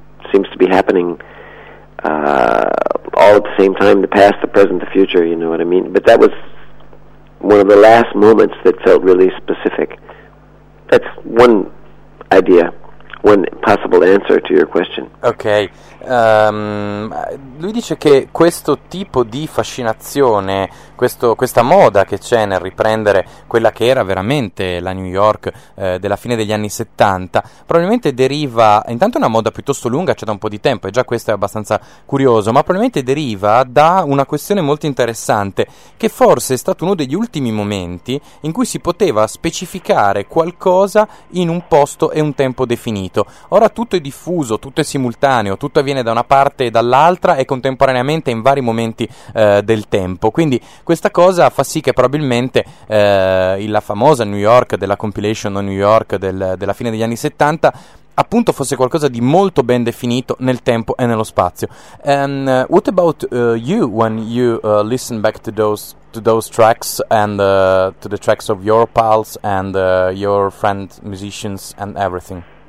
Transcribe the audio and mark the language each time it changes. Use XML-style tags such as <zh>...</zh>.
<en>seems to be happening all at the same time, the past, the present, the future, you know what I mean? But that was one of the last moments that felt really specific. That's one idea, one possible answer to your question. Okay.</en> <it>Lui dice che questo tipo di fascinazione, questa moda che c'è nel riprendere quella che era veramente la New York della fine degli anni 70, probabilmente deriva, intanto è una moda piuttosto lunga, c'è da un po' di tempo e già questo è abbastanza curioso, ma probabilmente deriva da una questione molto interessante, che forse è stato uno degli ultimi momenti in cui si poteva specificare qualcosa in un posto e un tempo definito. Ora tutto è diffuso, tutto è simultaneo, tutto è viene da una parte e dall'altra e contemporaneamente in vari momenti del tempo, quindi questa cosa fa sì che probabilmente la famosa New York della compilation o New York della fine degli anni 70 appunto fosse qualcosa di molto ben definito nel tempo e nello spazio.</it> <en>What about you when you listen back to those tracks and to the tracks of your pals and your friend musicians and everything?</en>